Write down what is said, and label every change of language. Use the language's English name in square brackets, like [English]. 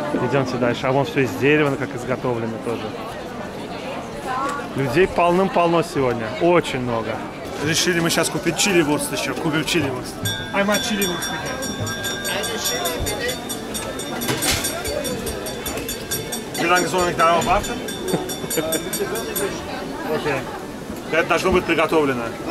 [Russian] Идемте дальше. А вон все из дерева, как изготовлено тоже. Людей полным-полно сегодня. Очень много. Решили мы сейчас купить чили-вурст еще. Купим чили-вурст. I'm a чили-вурст. [German] Wie lange soll ich darauf warten? [Russian] Okay. Это должно быть приготовлено.